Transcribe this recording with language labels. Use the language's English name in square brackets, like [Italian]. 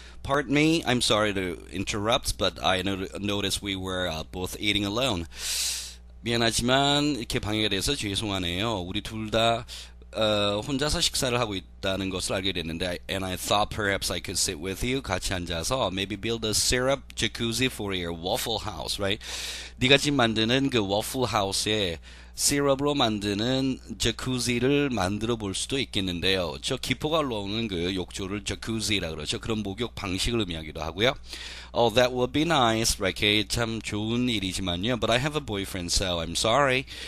[English] Pardon me, I'm sorry to interrupt, but I noticed we were both eating alone. [Korean] 미안하지만 이렇게 방해가 돼서 죄송하네요. 우리 둘다 혼자서 식사를 하고 있다는 것을 알게 됐는데, [English] and I thought perhaps I could sit with you, [Korean] 같이 앉아서 [English] maybe build a syrup jacuzzi for your waffle house, right? [Korean] 네가 지금 만드는 그 waffle house에 시럽으로 만드는 자쿠지를 만들어 볼 수도 있겠는데요. 저 기포가 올라오는 그 욕조를 자쿠지라 그러죠. 그런 목욕 방식을 의미하기도 하고요. [English] Oh, that would be nice, right? [Korean] 참 좋은 일이지만요. [English] But I have a boyfriend, so I'm sorry.